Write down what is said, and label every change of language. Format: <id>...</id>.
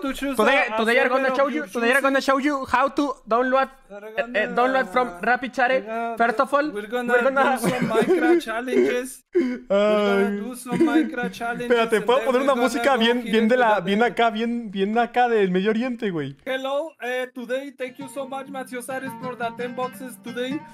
<en>Today I'm going to show you how to download from RapidChare. First of all, we're going to do some Minecraft challenges.</en> <es>Espérate, ¿puedo poner una música bien acá del Medio Oriente, güey?</es> <en>Hello, today, thank you so much, Macio Sares, for the 10 boxes today.</en>